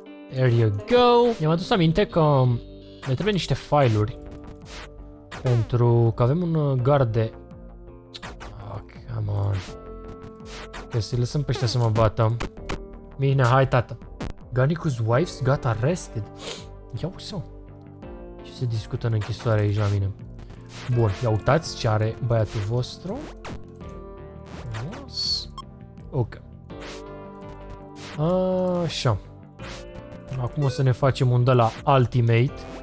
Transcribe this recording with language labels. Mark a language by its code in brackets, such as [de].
[en] There you go. [ro] Mi-am adus aminte că ne trebuie niște file-uri. Pentru că avem un guard de... [en] oh, come on. [ro] Trebuie să-i lăsăm pe ăștia să mă bată. Bine, hai tata. [en] Garnicu's wife's got arrested. [ro] Ia uite-o. Ce se discută în închisoare aici la mine? Bun, ia uitați ce are băiatul vostru. Frumos. Ok. Așa. Acum o să ne facem un de la ultimate.